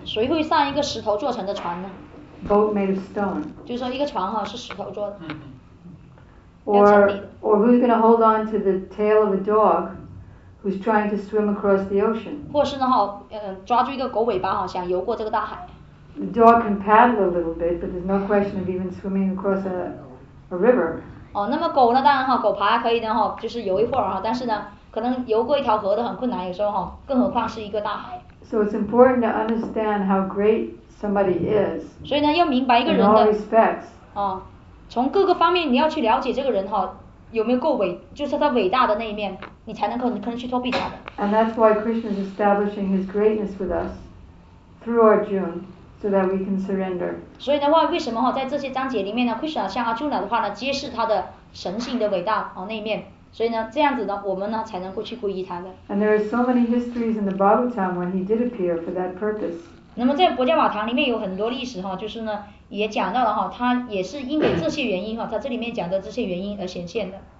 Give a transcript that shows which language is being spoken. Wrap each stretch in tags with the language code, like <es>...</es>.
<zh>谁会上一个石头做成的船呢</zh> <en>？Boat made of stone.</en> <zh>就是说一个船哈是石头做的。</zh> <en>Or who's going to hold on to the tail of a dog, who's trying to swim across the ocean?</en> <zh>或是呢哈，抓住一个狗尾巴哈，想游过这个大海。</zh> <en>The dog can paddle a little bit, but there's no question of even swimming across a river.</en> <zh>哦，那么狗呢？当然哈，狗爬可以的哈，就是游一会儿哈。但是呢，可能游过一条河都很困难，有时候哈，更何况是一个大海。</zh> <en>So it's important to understand how great somebody is.</en> <zh>所以呢，要明白一个人的。</zh> <en>In all respects.</en> <zh>哦，从各个方面你要去了解这个人哈，有没有够伟，就是他伟大的那一面，你才能够你可能去托庇他的。</zh> <en>And that's why Krishna is establishing his greatness with us through Arjuna. So that we can surrender.</en> <zh>所以的话，为什么哈，在这些章节里面呢 ，Krishna 向 Arjuna 的话呢，揭示他的神性的伟大哦那一面。所以呢，这样子呢，我们呢才能够去皈依他的。</zh> <en>And there are so many histories in the Bhagavatam when he did appear for that purpose.</en> <zh>那么在《薄伽瓦堂》里面有很多历史哈，就是呢也讲到了哈，他也是因为这些原因哈，他这里面讲的这些原因而显现的。</zh>